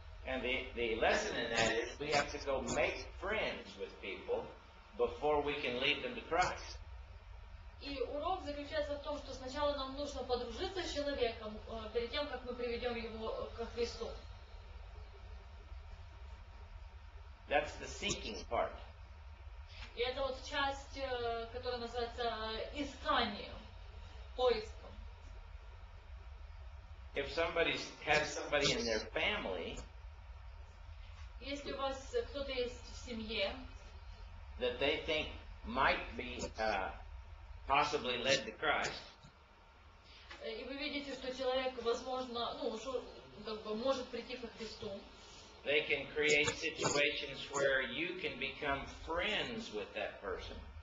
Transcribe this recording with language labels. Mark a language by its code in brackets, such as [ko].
[en] And the lesson in that is we have to go make friends with people before we can lead them to Christ. [ru] И урок заключается в том, что сначала нам нужно подружиться с человеком перед тем, как мы приведем его к Христу. [en] That's the seeking part. [ru] И это вот часть, которая называется искание, поиском. [en] If somebody has somebody in their family, [ru] Если у вас кто-то есть в семье, [en] that they think might be possibly led to Christ, [ru] и вы видите, что человек, возможно, может прийти ко Христу, [en] they can create situations where you can become friends with that person.